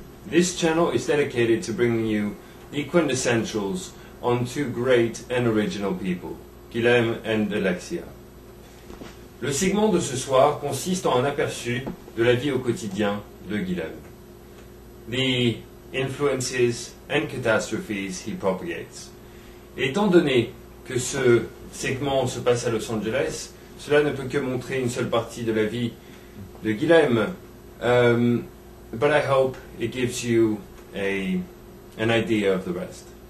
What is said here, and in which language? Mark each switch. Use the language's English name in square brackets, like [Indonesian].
[English] This channel is dedicated to bringing you the quintessentials on two great and original people, Guilhem and Alexia. [French] Le segment de ce soir consiste en un aperçu de la vie au quotidien de Guilhem. [English] The influences and catastrophes he propagates. [French] Étant donné que ce segment se passe à Los Angeles, cela ne peut que montrer une seule partie de la vie de Guilhem. [English] But I hope it gives you an idea of the rest.